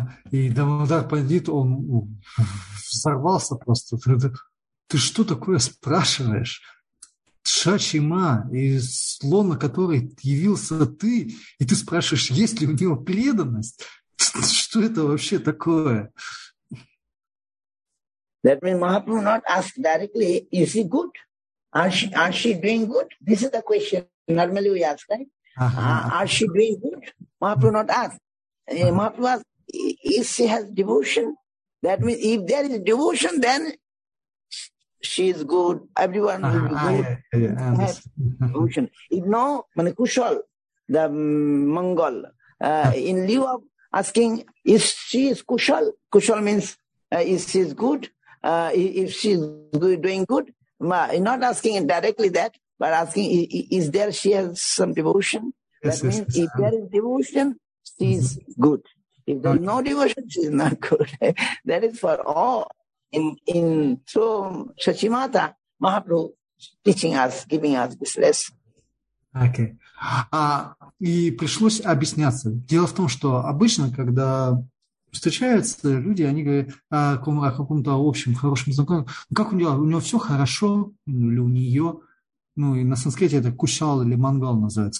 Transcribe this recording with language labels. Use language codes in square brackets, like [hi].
[ru] И Дамодар Пандит, он взорвался просто. Ты что такое спрашиваешь? Шачима, из лона которой явился ты, и ты спрашиваешь, есть ли у него преданность? Что это вообще такое? [en] That means Mahaprabhu not ask directly, is he good? Are she doing good? This is the question normally we ask, right? Uh-huh. Are she doing good? Mahaprabhu not ask. Uh-huh. Mahaprabhu ask, is she has devotion? That means if there is devotion, then she is good. Everyone will be good. Yeah, devotion. If no, Manikushal, the Mangal, in lieu of asking if she is kushal. Kushal means if she is good, if she is doing good. Not asking directly that, but asking is there she has some devotion. Yes, that means if there is devotion, she is good. If there is no devotion, she is not good. That is for all. In so Shachimata, Mahaprabhu teaching us, giving us this lesson. [ru] Окей. И пришлось объясняться. Дело в том, что обычно, когда встречаются люди, они говорят о каком-то общем хорошем знакомом. Ну, как у него? У него все хорошо? Ну, или у нее? Ну, и на санскрите это кушал или мангал называется.